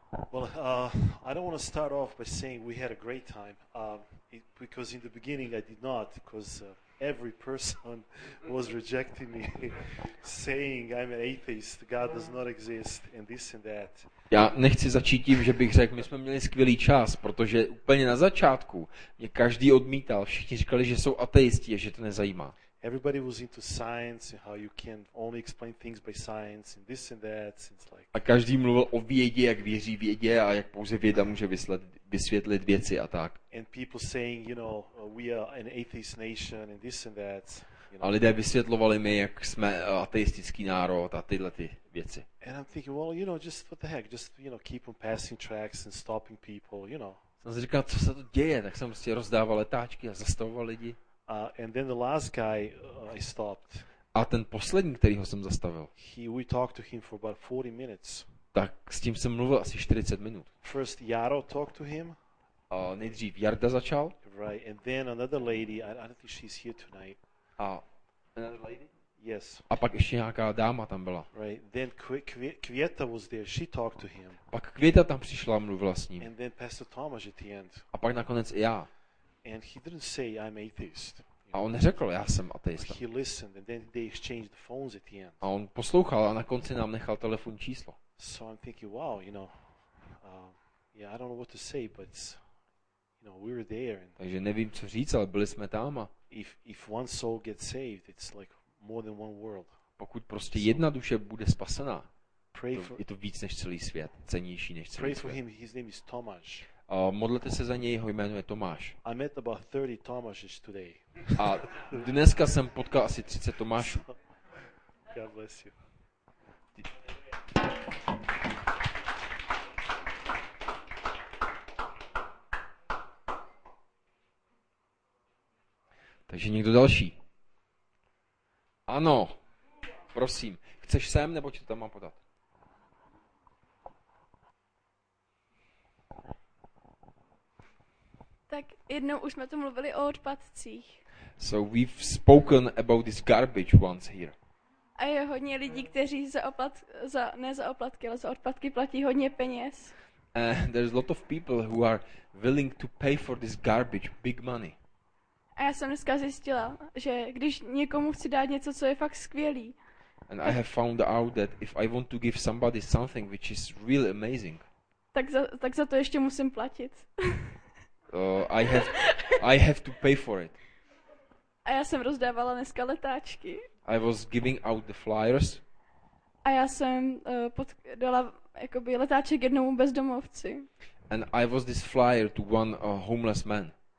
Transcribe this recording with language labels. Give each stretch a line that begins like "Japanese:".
English: Well, I don't want to start off by saying we had a great time, because in the beginning I did not, because every person was rejecting me, saying I'm an atheist, God does not exist, and this and that.
Czech: Já nechci začít tím, že bych řekl, my jsme měli skvělý čas, protože úplně na začátku mě každý odmítal, všichni říkali, že jsou ateisti a že to nezajímá.
English: Everybody was into science and how you can only explain things by science and this and that. It's like...
Czech: A každý mluvil o vědě, jak věří vědě a jak pouze věda může vysvětlit věci a tak.
English: And people saying, you know, we are an atheist nation and this and that. You know.
Czech: A lidé vysvětlovali mi, jak jsme ateistický národ a tyhle ty věci.
English: And I'm thinking, well, you know, just what the heck, just, you know, keep on passing tracks and stopping people, you know.
Czech: Jsem si říkal, co se to děje, tak jsem prostě rozdával letáčky a zastavoval lidi.
English: And then the last guy I stopped.
Czech: A ten poslední, kterýho jsem zastavil.
English: We talked to him for about 40 minutes.
Czech: Tak s tím jsem mluvil asi 40 minut.
English: First Jaro talked to him.
Czech: Nejdřív Jarda začal.
English: Right, and then another lady. I don't think she's here tonight. Another lady? Yes.
Czech: A pak ještě nějaká dáma tam byla.
English: Right, then Květa was there. She talked to him.
Czech: Pak Květa tam přišla, mluvila s ním.
English: And then Pastor Tomáš at the end.
Czech: A pak nakonec i já.
English: And he didn't say I'm atheist.
Czech: A on neřekl, já jsem ateista.
English: He listened and then they exchanged the phones at the end.
Czech: A on poslouchal a na konci nám nechal telefonní číslo.
English: So I'm thinking, wow, you know. Yeah, I don't know what to say, but you know, we were there and
Czech: takže nevím co říct, ale byli jsme tam.
English: If one soul gets saved, it's like more than one world.
Czech: Pokud prostě jedna duše bude spasená. Je to víc než celý svět, cennější než celý
English: pray
Czech: svět.
English: For him, his name is Tomáš.
Czech: Modlete se za něj, jeho jméno je Tomáš.
English: I met about 30 Tomáš's today.
Czech: A dneska jsem potkal asi 30 Tomášů.
English: God bless you.
Czech: Takže někdo další? Ano. Prosím. Chceš sem, nebo ti to tam mám podat? Tak jednou už jsme tu mluvili o odpadcích.
English: So we've spoken about this garbage once here.
Czech: A je hodně lidí, kteří za odpadky platí hodně peněz.
English: There's a lot of people who are willing to pay for this garbage, big money.
Czech: A já jsem dneska zjistila, že když někomu chci dát něco, co je fakt skvělý.
English: And I have found out that if I want to give somebody something which is really amazing.
Czech: Tak za to ještě musím platit.
English: I have to pay for it.
Czech: A já jsem rozdávala dneska letáčky.
English: I was giving out the flyers.
Czech: A já jsem dala jakoby letáček jednomu bezdomovci.
English: And I was this flyer to one homeless man.